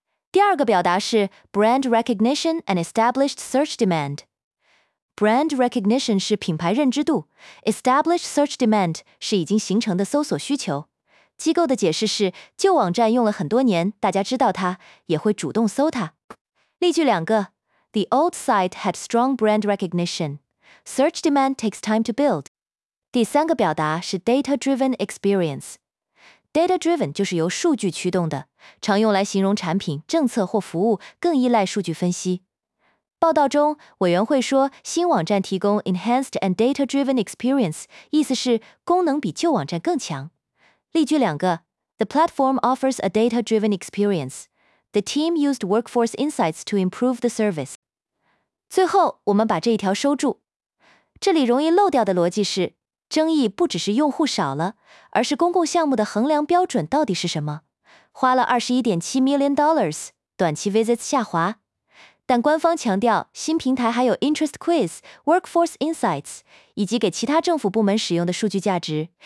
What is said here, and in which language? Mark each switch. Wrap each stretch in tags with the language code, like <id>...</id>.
<zh>第二个表达是</zh> <en>brand recognition and established search demand.</en> <zh>Brand recognition 是品牌认知度， established search demand 是已经形成的搜索需求。机构的解释是，旧网站用了很多年，大家知道它，也会主动搜它。例句两个，</zh> <en>The old site had strong brand recognition. Search demand takes time to build.</en> <zh>第三个表达是</zh> <en>data-driven experience.</en> <zh>Data-driven 就是由数据驱动的，常用来形容产品、政策或服务更依赖数据分析。报道中，委员会说新网站提供</zh> <en>enhanced and data-driven experience，</en> <zh>意思是功能比旧网站更强。例句两个，</zh> <en>The platform offers a data-driven experience. The team used workforce insights to improve the service.</en> <zh>最后，我们把这一条收住。这里容易漏掉的逻辑是，争议不只是用户少了，而是公共项目的衡量标准到底是什么。花了$21.7 million， 短期 visits 下滑。但官方强调，新平台还有 interest quiz、workforce insights， 以及给其他政府部门使用的数据价值。</zh>